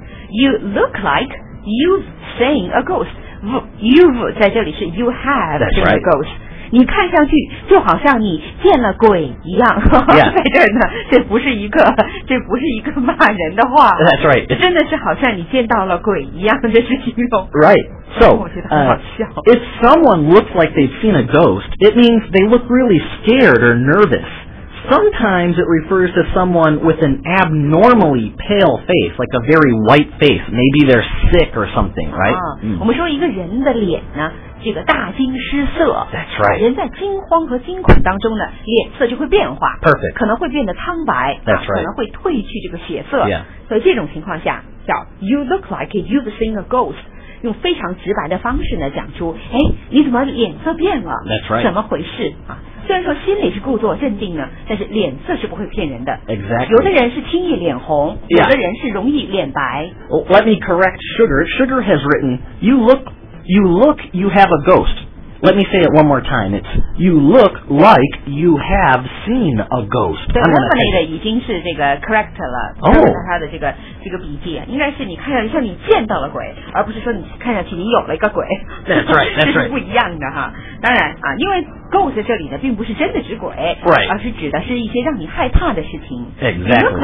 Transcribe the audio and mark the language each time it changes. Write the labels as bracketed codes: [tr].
[en] You look like you've seen a ghost. You've [zh] 在这里是 [en] you have seen a ghost. [zh] 你看上去就好像你见了鬼一样、 [en] yeah. [zh] 在这儿呢这不是一个骂人的话 [en] That's right. [zh] 真的是好像你见到了鬼一样这是形容 [en] Right. So, [zh] 我觉得很好笑 [en] if someone looks like they've seen a ghost, it means they look really scared or nervous. Sometimes it refers to someone with an abnormally pale face, like a very white face. Maybe they're sick or something, right?、 [zh] 我们说一个人的脸呢这个大惊失色 [en] That's right. [zh] 人在惊慌和惊恐当中呢脸色就会变化 [en] Perfect. [zh] 可能会变得苍白 [en] That's right. [zh] 可能会褪去这个血色 [en] Yeah. [zh] 所以这种情况下叫 [en] You look like you've seen a ghost. [zh] 用非常直白的方式呢讲出哎，你怎么脸色变了 [en] That's right. [zh] 怎么回事啊？虽然说心里是故作镇定呢但是脸色是不会骗人的 [en] Exactly. [zh] 有的人是轻易脸红、 [en] yeah. [zh] 有的人是容易脸白、 [en] well, Let me correct Sugar. Sugar has written You look, you have a ghost. Let me say it one more time. It's you look like you have seen a ghost. [zh] 对，我们那个已经是这个 correct 了，就是他的这个笔记，应该是你看上去像你见到了鬼，而不是说你看上去你有了一个鬼。 [en] That's right. That's right. [zh] 这是不一样的哈。当然啊，因为 ghost 这里呢并不是真的指鬼， [en] right. [zh] 而是指的是一些让你害怕的事情。 [en] Exactly.